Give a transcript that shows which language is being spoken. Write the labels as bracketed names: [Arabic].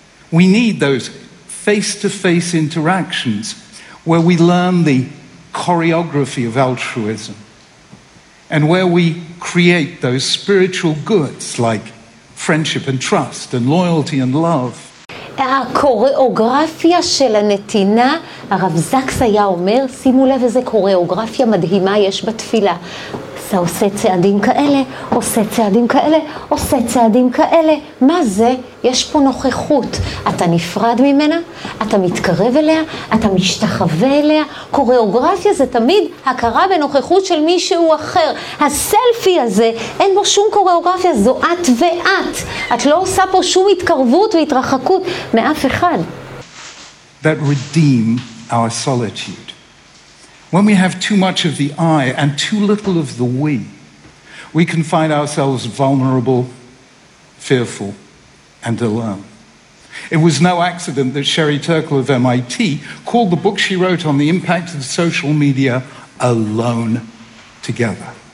[English] We need those face-to-face interactions where we learn the choreography of altruism and where we create those spiritual goods like friendship and trust and loyalty and love. [Hebrew] הקוריאוגרפיה של הנתינה, הרב זקס היה אומר, שימו לב איזה קוריאוגרפיה מדהימה יש בתפילה. אתה עושה צעדים כאלה, עושה צעדים כאלה, עושה צעדים כאלה. מה זה? יש פה נוכחות. אתה נפרד ממנה, אתה מתקרב אליה, אתה משתחווה אליה. קוריאוגרפיה זה תמיד הכרה בנוכחות של מישהו אחר. הסלפי הזה, אין בו שום קוריאוגרפיה, זו את ואת. את לא עושה פה שום התקרבות והתרחקות מאף אחד. [English] That redeem our solitude. When we have too much of the I and too little of the we, we can find ourselves vulnerable, fearful, and alone. It was no accident that Sherry Turkle of MIT called the book she wrote on the impact of social media Alone Together.